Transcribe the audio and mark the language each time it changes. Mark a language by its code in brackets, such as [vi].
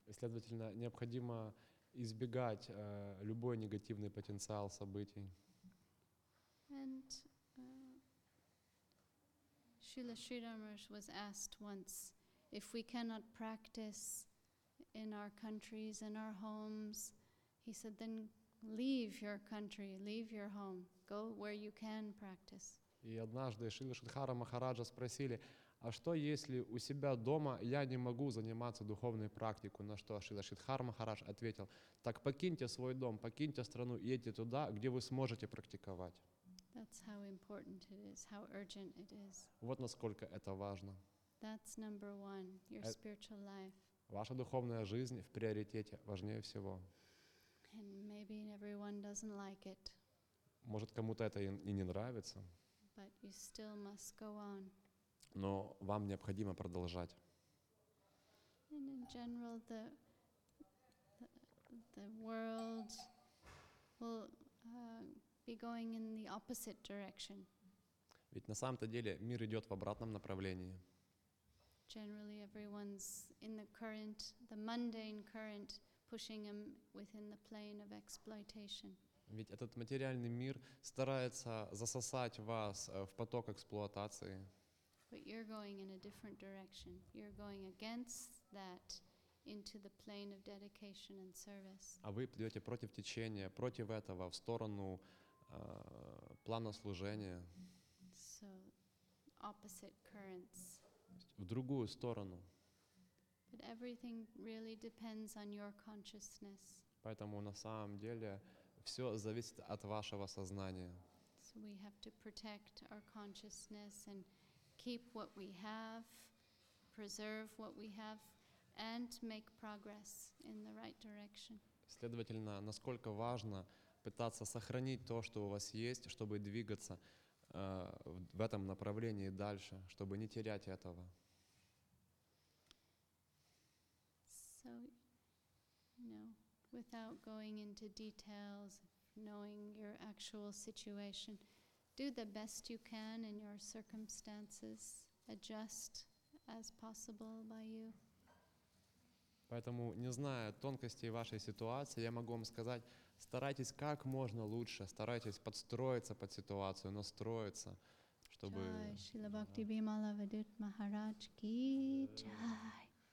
[ru] Следовательно, необходимо избегать любой негативный потенциал событий. [en] And Srila Sridhar Maharaj was asked once, if we cannot practice in our countries, in our homes, he said, then leave your country, leave your home, go where you can practice. [ru] И однажды Шрила Шридхара Махараджа спросили, а что если у себя дома я не могу заниматься духовной практикой? На что Шрила Шридхара Махарадж ответил, так покиньте свой дом, покиньте страну, едьте туда, где вы сможете практиковать. [en] That's how important it is, how urgent it is. [ru] Вот насколько это важно. [en] That's number one, your spiritual life. [ru] Ваша духовная жизнь в приоритете, важнее всего. [en] And maybe everyone doesn't like it. [ru] Может, кому-то это и не нравится. [en] But you still must go on. [ru] Но вам необходимо продолжать. [en] And in general, the world will be going in the opposite direction. [ru] Ведь на самом-то деле мир идет в обратном направлении. [en] Generally, everyone's in the current, the mundane current, pushing them within the plane of exploitation. [ru] Ведь этот материальный мир старается засосать вас в поток эксплуатации. [en] But you're going in a different direction. You're going against that into the plane of dedication and service. [ru] А вы идете против течения, против этого, в сторону плана служения. [en] So, opposite currents. [ru] В другую сторону. [en] But everything really depends on your consciousness. [ru] Поэтому на самом деле все зависит от вашего сознания. [en] So we have to protect our consciousness and keep what we have, preserve what we have, and make progress in the right direction. [ru] Следовательно, насколько важно пытаться сохранить то, что у вас есть, чтобы двигаться в этом направлении дальше, чтобы не терять этого. [en] So, you know, without going into details, knowing your actual situation, do the best you can in your circumstances, adjust as possible by you. [ru] Поэтому, не зная тонкостей вашей ситуации, я могу вам сказать, старайтесь как можно лучше, старайтесь подстроиться под ситуацию, настроиться, чтобы... [hi] Jai, Srila Bhakti Bimala Vidit Maharaj Ki Jai.